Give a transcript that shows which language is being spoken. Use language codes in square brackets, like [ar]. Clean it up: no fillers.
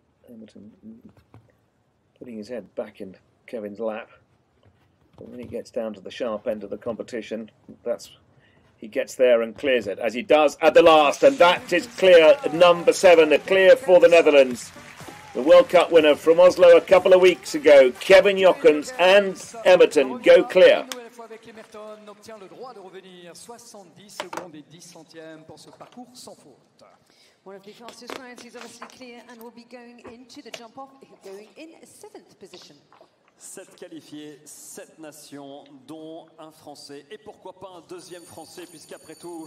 [en] Emerton putting his head back in Kevin's lap, but when he gets down to the sharp end of the competition, that's he gets there and clears it, as he does at the last, and that is clear number seven, a clear for the Netherlands. The World Cup winner from Oslo a couple of weeks ago, Kevin Jokers and Emerton go clear. [fr] Avec Emerton obtient le droit de revenir 70 secondes et 10 centièmes pour ce parcours sans faute. [en] One of the fastest clients is obviously clear and will be going into the jump off, going in seventh position. [fr] 7 qualifiés, 7 nations, dont un Français, et pourquoi pas un deuxième Français, puisqu'après tout,